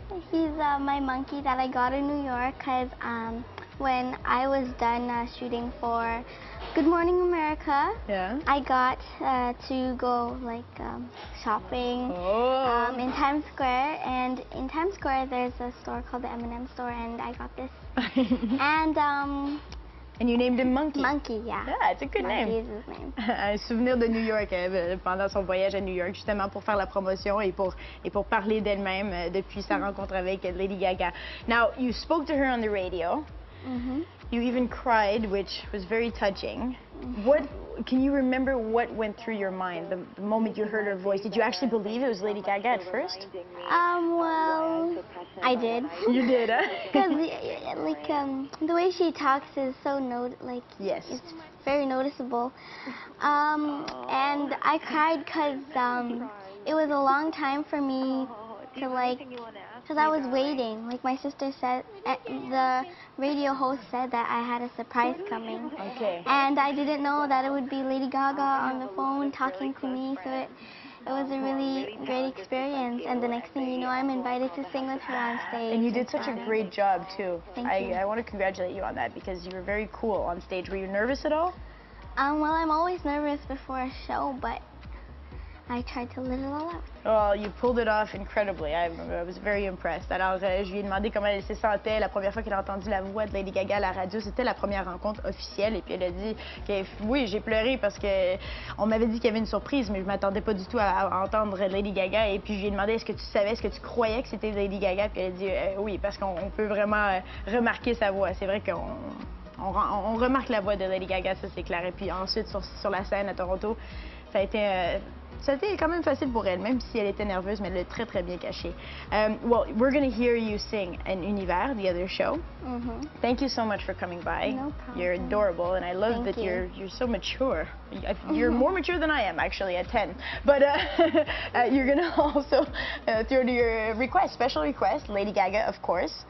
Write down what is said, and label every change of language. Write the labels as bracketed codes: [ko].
[en] He's my monkey that I got in New York because when I was done shooting for Good Morning America, yeah. I got to go like shopping in Times Square. And in Times Square, there's a store called the M&M store, and I got this. And you named him Monkey. Monkey, yeah. Yeah, it's a good Monkey name. Monkey is his name. [fr] Un souvenir de New York pendant son voyage à New York, justement pour faire la promotion et pour parler d'elle-même depuis sa rencontre avec Lady Gaga. [en] Now, you spoke to her on the radio. Mm-hmm. You even cried, which was very touching. Mm-hmm. What can you remember what went through your mind the moment you heard her voice? Did you actually believe it was Lady Gaga at first? Well, I did. You did, huh? Because, like, the way she talks is so, like, yes. It's very noticeable. And I cried because it was a long time for me to, like, because I was waiting. Like my sister said, the radio host said that I had a surprise coming. Okay. And I didn't know that it would be Lady Gaga on the phone talking to me. So it was a really great experience. And the next thing you know, I'm invited to sing with her on stage. And you did such a great job too. Thank you. I want to congratulate you on that because you were very cool on stage. Were you nervous at all? Well, I'm always nervous before a show, but I tried to let it all out. Well, you pulled it off incredibly. I was very impressed. [fr] Alors, je lui ai demandé comment elle se sentait la première fois qu'elle a entendu la voix de Lady Gaga à la radio. C'était la première rencontre officielle. Et puis, elle a dit que oui, j'ai pleuré parce qu'on m'avait dit qu'il y avait une surprise, mais je ne m'attendais pas du tout à entendre Lady Gaga. Et puis, je lui ai demandé est-ce que tu savais, est-ce que tu croyais que c'était Lady Gaga. Puis, elle a dit oui, parce qu'on peut vraiment remarquer sa voix. C'est vrai qu'on. On remarque la voix de Lady Gaga, ça c'est clair. Et puis ensuite, sur la scène à Toronto, ça a été quand même facile pour elle, même si elle était nerveuse, mais elle l'a très, très bien cachée. [en] Well, we're going to hear you sing in Univers, the other show. Mm-hmm. Thank you so much for coming by. No problem. You're adorable, and I love Thank that you. you're so mature. You're more mature than I am, actually, at 10. But you're going to also throw to your request, special request, Lady Gaga, of course.